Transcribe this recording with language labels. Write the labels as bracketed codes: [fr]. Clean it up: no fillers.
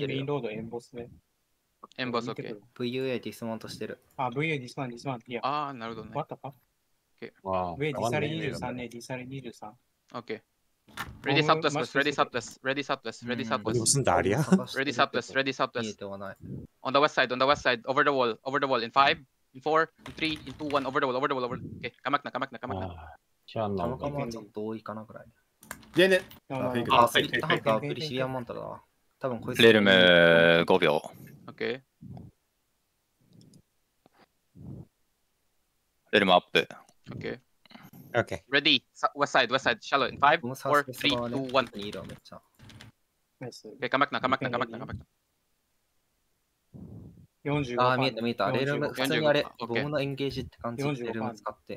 [ja] よ。メインロードエンボスね。エンボスオッケー。 VUA ディスマントしてる。あ、VUA ディスマン、ディスマン。いや。ああ、なるほどね。わたか。オッケー。ウェイディサレ23ね、ディサレ23。オッケー。 [en] Ready Southwest, Ready Southwest, Ready Southwest, Ready Southwest。 [ko] 무슨날이야？ [en] Ready Southwest, Ready Southwest。 [ja] 見えてはない。 [en] On the west side, on the west side, over the wall, over the wall, in five. In 4, in 3, in 2, 1, over the wall, over the wall, over the wall. Okay, come back now, come back now, come back now. [ja] キャンナーはちょっと多いかなぐらい。でね。あ、フェイク。タンクアプリシリアンマンタだ。多分こいつ。レルム5秒。 [en] OK。レルムアップ。 OK。 OK。 Ready, west side, west side, shallow. In 5, 4, 3, 2, 1. [ja] いいだ、めっちゃ。 [en] Okay, come back now, come back now, come back now, come back now. 45% [ja] ああ、見えた見えた。レルム、普通にあれ、ボムのエンゲージって感じでレルム使って。